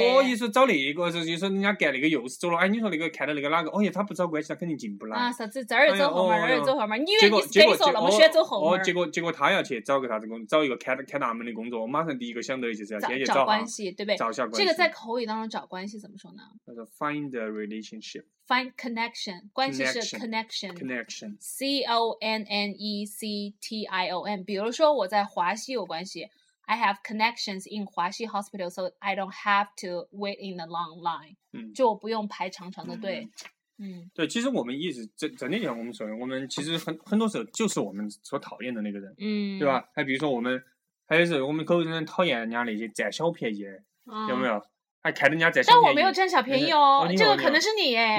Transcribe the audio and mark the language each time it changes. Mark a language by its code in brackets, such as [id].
[zh] 哦，一说找那个，就说人家干那个又是走了。哎，你说那个看到那个哪个？哦，他不找关系，他肯定进不来。啊，啥子这儿又走后门，哎，儿又走后门？你以为你是谁说那么喜欢走后门？结果他要去找个啥子工，找一个看大门的工作。我马上第一个想到的就是要先去找关系，对不对？找下关系。这个在口语当中找关系怎么说呢？叫做 [en] find a relationship。 Find connection， [zh] 关系是 [en] connection， C O N N E C T I O N。 [zh] 比如说我在华西有关系 [en] ，I have connections in 华西 hospital， so I don't have to wait in the long line。嗯， [zh] 就我不用排长长的队。嗯，对，其实我们一直整体讲，我们所谓我们其实很多时候就是我们所讨厌的那个人，嗯，对吧？还比如说我们，还有是我们口中讨厌人家那些占小便宜，有没有？还看人家占小便宜，但我没有占小便宜哦，这个可能是你哎，